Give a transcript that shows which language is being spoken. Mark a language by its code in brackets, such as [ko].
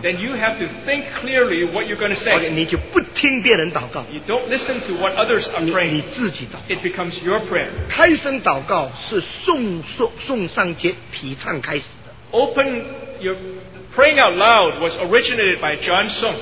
[en] then you have to think clearly what you're going to say. [zh] Okay, 你就不听别人祷告, [en] you don't listen to what others are praying. [zh] 你自己祷告, [en] it becomes your prayer. [zh] 开声祷告是宋尚杰提倡开始的。 [en] Open your praying out loud was originated by John Sung.